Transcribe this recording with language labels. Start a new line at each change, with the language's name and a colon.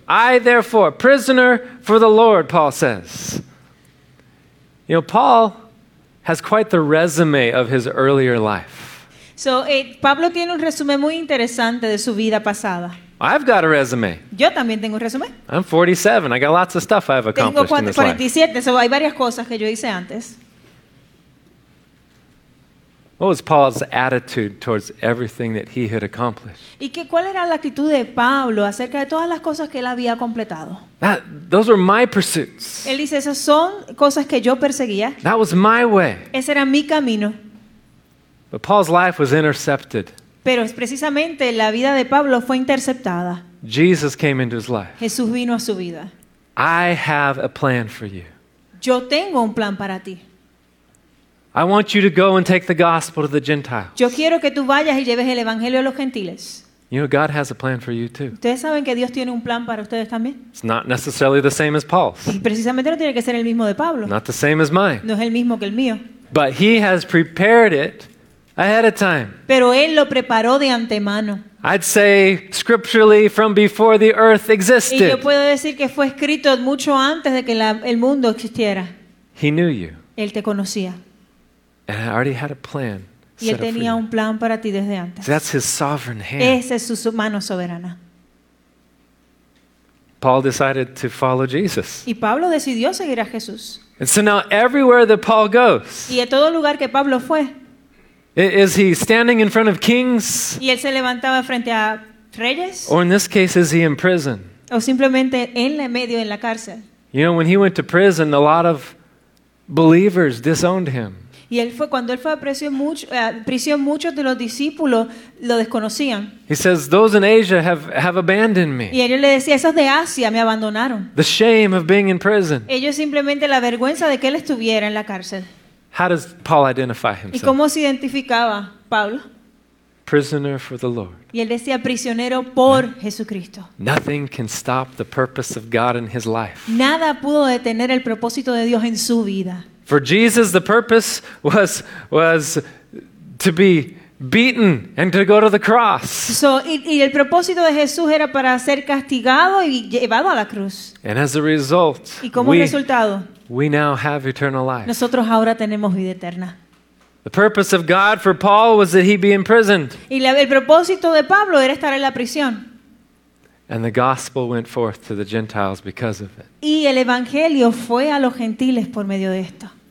English: I therefore, prisoner for the Lord, Paul says. You know, Paul has quite the resume of his earlier life.
Spanish: So, Pablo tiene un resumen muy interesante de su vida pasada.
English: I've got a resume.
Spanish: Yo también tengo un resumen.
English: I'm 47. I got lots of stuff I've accomplished
Spanish: tengo 47,
English: in this life.
Spanish: So hay varias cosas que yo hice antes.
English: What was Paul's attitude towards everything that he had accomplished?
Spanish: ¿Y qué cuál era la actitud de Pablo acerca de todas las cosas que él había completado?
English: That, those were my pursuits.
Spanish: Él dice, esas son cosas que yo perseguía.
English: That was my way.
Spanish: Ese era mi camino.
English: But Paul's life was intercepted.
Spanish: Pero es precisamente la vida de Pablo fue interceptada.
English: Jesus came into his life.
Spanish: Jesús vino a su vida.
English: I have a plan for you.
Spanish: Yo tengo un plan para ti.
English: I want you to go and take the gospel to the Gentiles.
Spanish: Yo quiero que tú vayas y lleves el evangelio a los gentiles.
English: You know, God has a plan for you too.
Spanish: ¿Ustedes saben que Dios tiene un plan para ustedes también?
English: It's not necessarily the same as Paul's.
Spanish: Y precisamente no tiene que ser el mismo de Pablo.
English: Not the same as mine.
Spanish: No es el mismo que el mío.
English: But he has prepared it ahead of time.
Spanish: Pero él lo preparó de antemano.
English: I'd say scripturally from before the earth existed.
Spanish: Y yo puedo decir que fue escrito mucho antes de que el mundo existiera.
English: He knew you.
Spanish: Él te conocía.
English: And I already had a plan.
Spanish: Y él tenía un plan para ti desde antes.
English: So that's his sovereign hand.
Spanish: Esa es su mano soberana.
English: Paul decided to follow Jesus.
Spanish: Y Pablo decidió seguir a Jesús.
English: And so now everywhere that Paul goes.
Spanish: Y en todo lugar que Pablo fue.
English: Is he standing in front of kings?
Spanish: Y él se levantaba frente a reyes?
English: Or in this case, is he in prison?
Spanish: O simplemente en la medio en la cárcel.
English: You know, when he went to prison, a lot of believers disowned him.
Spanish: Y él fue cuando él fue a prisión muchos de los discípulos lo desconocían.
English: He says, those in Asia have abandoned me.
Spanish: Y él le decía, esos de Asia me abandonaron.
English: The shame of being in prison.
Spanish: Ellos simplemente la vergüenza de que él estuviera en la cárcel.
English: How does Paul identify himself?
Spanish: ¿Y cómo se identificaba Pablo?
English: Prisoner for the Lord.
Spanish: Y él decía prisionero por Jesucristo.
English: Nothing can stop the purpose of God in his life.
Spanish: Nada pudo detener el propósito de Dios en su vida.
English: For Jesus, the purpose was to be beaten and to go to the cross.
Spanish: So, y el propósito de Jesús era para ser castigado y llevado a la cruz.
English: And as a result,
Spanish: y como resultado,
English: we now have eternal life.
Spanish: Nosotros ahora tenemos vida eterna.
English: The purpose of God for Paul was that he be imprisoned.
Spanish: Y el propósito de Pablo era estar en la prisión.
English: And the gospel went forth to the Gentiles because of it.
Spanish: Y el evangelio fue a los gentiles por medio de esto.